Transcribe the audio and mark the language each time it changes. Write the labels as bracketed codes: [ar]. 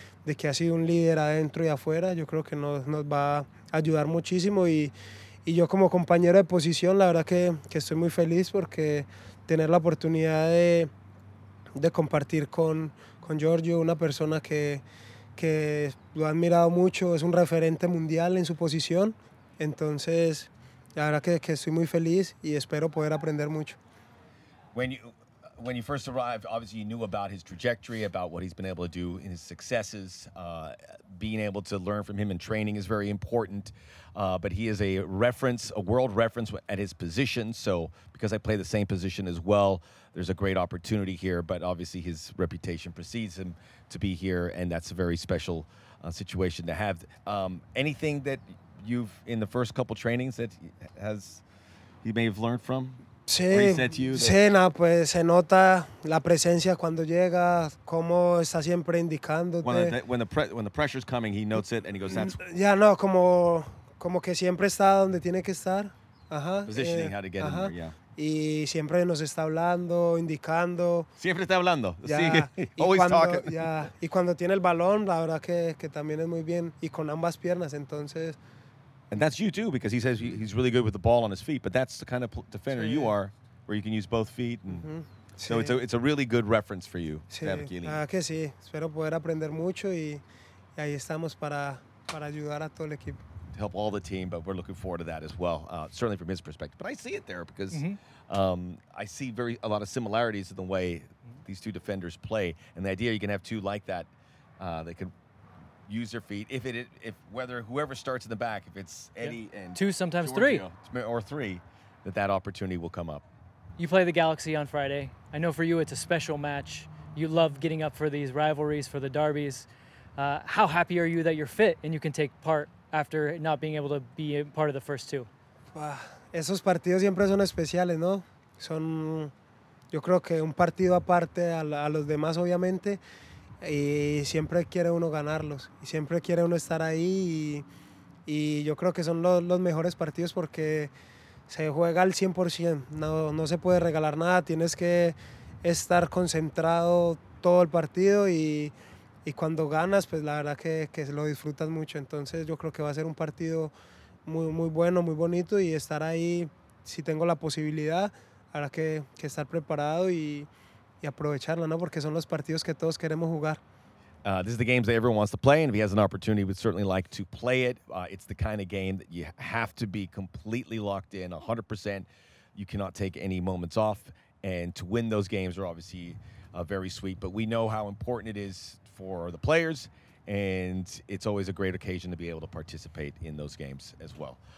[es] de que ha sido un líder adentro y afuera. Yo creo que nos va a ayudar muchísimo y yo como compañero de posición, la verdad que estoy muy feliz porque tener la oportunidad de compartir con Giorgio, una persona que lo ha admirado mucho, es un referente mundial en su posición. Entonces, la verdad que estoy muy feliz y espero poder aprender mucho. [en] When you first arrived, obviously you knew about his trajectory, about what he's been able to do in his successes. Being able to learn from him in training is very important. But he is a reference, a world reference at his position. So because I play the same position as well, there's a great opportunity here. But obviously his reputation precedes him to be here, and that's a very special situation to have. Anything that you've, in the first couple trainings, that he may have learned from? [es] Sí, Sena, pues se nota la presencia cuando llega, cómo está siempre indicándote. [en] When the pressure's coming, he notes it and he goes, that's... [es] Yeah, no, como que siempre está donde tiene que estar. Ajá. [en] Positioning, how to get ajá. in there, yeah. [es] Y siempre nos está hablando, indicando. Siempre está hablando. Yeah. Sí, [en] always [es] cuando, [en] talking. Yeah. [es] Y cuando tiene el balón, la verdad que también es muy bien. Y con ambas piernas, entonces... [en] And that's you too, because he says he's really good with the ball on his feet, but that's the kind of defender sí. you are, where you can use both feet. And mm-hmm. So sí. it's a really good reference for you, [es] sí. Dave Keeling. Ah, que sí. Espero poder aprender mucho y ahí estamos para ayudar a todo el equipo. [en] To help all the team, but we're looking forward to that as well, certainly from his perspective. But I see it there because mm-hmm. I see a lot of similarities in the way these two defenders play. And the idea you can have two like that, they can use their feet. Whoever starts in the back, if it's Eddie yeah. and two, sometimes Giorgio, three, or three, that opportunity will come up. You play the Galaxy on Friday. I know for you it's a special match. You love getting up for these rivalries, for the derbies. How happy are you that you're fit and you can take part after not being able to be a part of the first two? [es] Esos partidos siempre son especiales, ¿no? Son, yo creo que un partido aparte a los demás, obviamente. Y siempre quiere uno ganarlos, y siempre quiere uno estar ahí y yo creo que son los mejores partidos porque se juega al 100%, no se puede regalar nada, tienes que estar concentrado todo el partido y cuando ganas, pues la verdad que lo disfrutas mucho, entonces yo creo que va a ser un partido muy, muy bueno, muy bonito y estar ahí, si tengo la posibilidad, habrá que estar preparado y aprovecharla, ¿no? Porque son los partidos que todos queremos jugar. [en] This is the games that everyone wants to play, and if he has an opportunity, he would certainly like to play it. It's the kind of game that you have to be completely locked in, 100%. You cannot take any moments off, and to win those games are obviously very sweet, but we know how important it is for the players, and it's always a great occasion to be able to participate in those games as well.